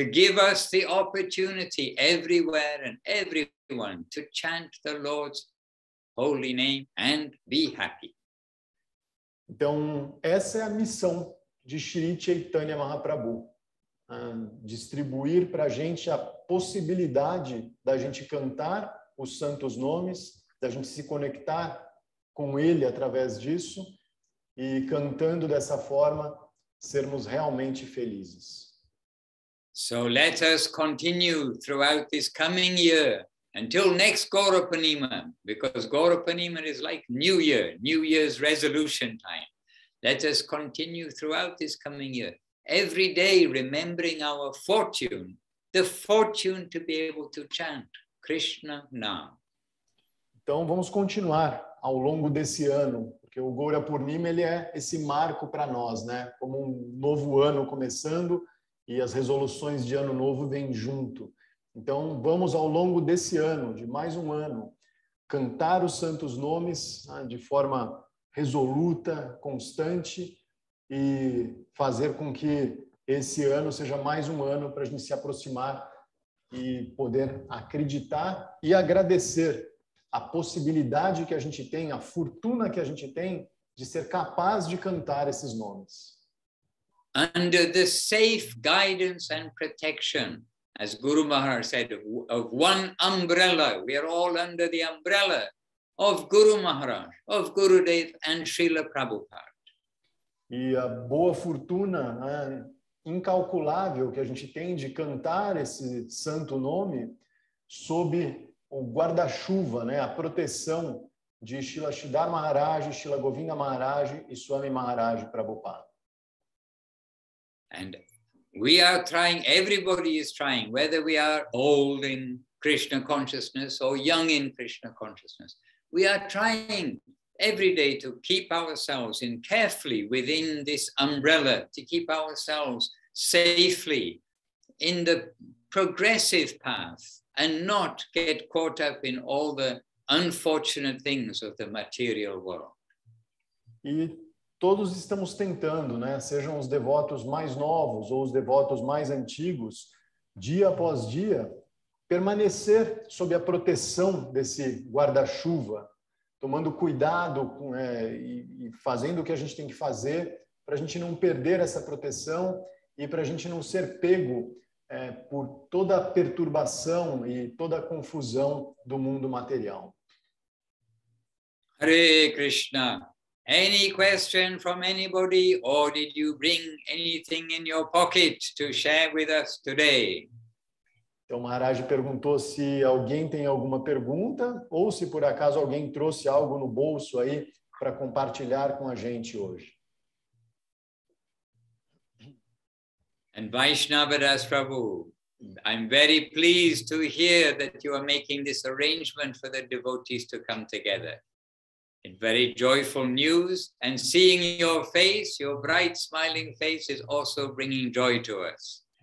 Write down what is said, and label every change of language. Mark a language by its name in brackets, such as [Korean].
[English] to give us the opportunity everywhere and everyone to chant the Lord's holy name and be happy. [Portuguese] Então, essa é a missão de Sri Chaitanya Mahaprabhu. Distribuir para a gente a possibilidade da gente cantar os santos nomes, da gente se conectar com ele através disso e cantando dessa forma, sermos realmente felizes. [English] So let us continue throughout this coming year until next Gaura Purnima, because Gaura Purnima is like New Year, New Year's resolution time. Let us continue throughout this coming year, every day remembering our fortune, the fortune to be able to chant Krishna Nam. [Portuguese] Então vamos continuar ao longo desse ano, porque o Gaura Purnima ele é esse marco para nós, né? Como um novo ano começando e as resoluções de ano novo vêm junto. Então vamos ao longo desse ano, de mais um ano, cantar os santos nomes de forma resoluta, constante e fazer com que esse ano seja mais um ano para a gente se aproximar e poder acreditar e agradecer a possibilidade que a gente tem, a fortuna que a gente tem de ser capaz de cantar esses nomes. [English] Under the safe guidance and protection, as Guru Maharaj said, of one umbrella, we are all under the umbrella of Guru Maharaj, of Gurudev and Srila Prabhupada. [Portuguese] E a boa fortuna incalculável que a gente tem de cantar esse santo nome sob o guarda-chuva, né, a proteção de Srila Sridhar Maharaj, Srila Govinda Maharaj e Swami Maharaj Prabhupada. [English] And we are trying, everybody is trying, whether we are old in Krishna consciousness or young in Krishna consciousness, we are trying every day to keep ourselves in carefully within this umbrella, to keep ourselves safely in the progressive path, and not get caught up in all the unfortunate things of the material world. [Portuguese] E todos estamos tentando, né, sejam os devotos mais novos ou os devotos mais antigos, dia após dia, permanecer sob a proteção desse guarda-chuva, tomando cuidado com, e fazendo o que a gente tem que fazer para a gente não perder essa proteção e para a gente não ser pego por toda a perturbação e toda a confusão do mundo material. [Sanskrit] Hare Krishna. [English] Any question from anybody, or did you bring anything in your pocket to share with us today? [Portuguese] Então, Maharaj perguntou se alguém tem alguma pergunta ou se por acaso alguém trouxe algo no bolso aí para compartilhar com a gente hoje. [English] And Vaishnava Das Prabhu, I'm very pleased to hear that you are making this arrangement for the devotees to come together. It's very joyful news, and seeing your face, your bright smiling face, is also bringing joy to us.